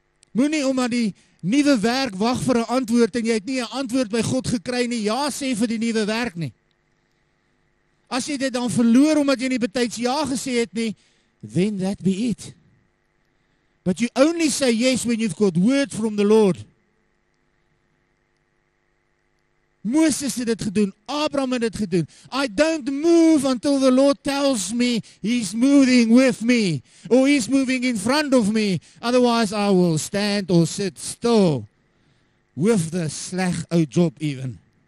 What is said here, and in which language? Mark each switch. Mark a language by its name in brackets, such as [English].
[Afrikaans] Moenie omdat die nuwe werk wag vir 'n antwoord en jy het nie 'n antwoord by God gekry nie, ja sê vir die nuwe werk nie. As jy dit dan verloor omdat jy nie betyds ja gesê het nie, [English] then that be it. But you only say yes when you've got word from the Lord. [Afrikaans] Moses het dit gedoen, Abraham het dit gedoen. [English] I don't move until the Lord tells me he's moving with me, or he's moving in front of me, otherwise I will stand or sit still with the [Afrikaans] sleg ou [English] job even.